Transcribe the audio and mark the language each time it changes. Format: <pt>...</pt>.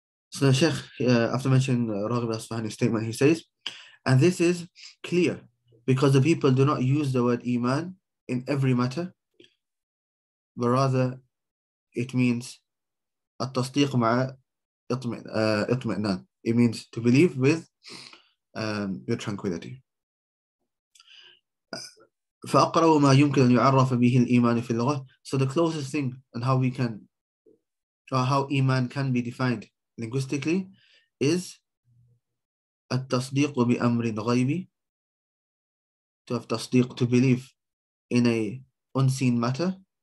<en>So the Sheikh, after mentioning Raghib al-Asfahani's statement, he says, and this is clear because the people do not use the word iman in every matter, but rather it means</en> <ar>at-tasdiq ma'a itmi'nan.</ar> <en>It means to believe with your tranquility.</en> <ar>فأقرب ما يمكن أن يعرف به الإيمان في اللغة.</ar> <en>So the closest thing and how we can, or how iman can be defined linguistically, is</en> <ar>التصديق بأمر غيبي.</ar> <en>To have تصديق, to believe in a unseen matter.</en>